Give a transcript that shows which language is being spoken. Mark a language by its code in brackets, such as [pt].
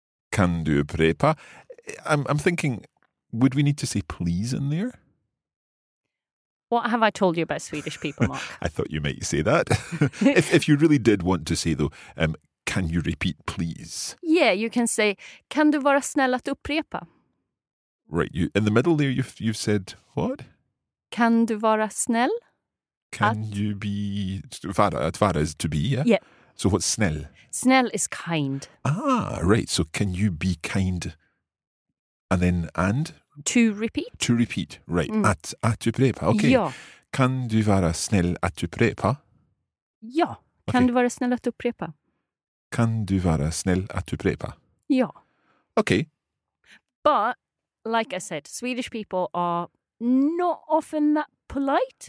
[sv] Kan du upprepa? [en] I'm thinking, would we need to say please in there? What have I told you about Swedish people, Mark? I thought you might say that. if you really did want to say, though, can you repeat, please? Yeah, you can say, [sv] kan du vara snäll att upprepa? [en] Right, you, in the middle there you've said, what? [sv] Kan du vara snäll? [en] Can att... you be, [sv] att vara [en] is to be, yeah? Yeah. So what's snäll? Snäll is kind. Ah, right, so can you be kind? And then, and? To repeat. To repeat, right, [sv] att upprepa, [en] okay. [sv] Ja. Kan du vara snäll att upprepa? Ja, kan du vara snäll att upprepa? Kan du vara snäll att upprepa? Ja. [en] Okay. But, like I said, Swedish people are not often that polite.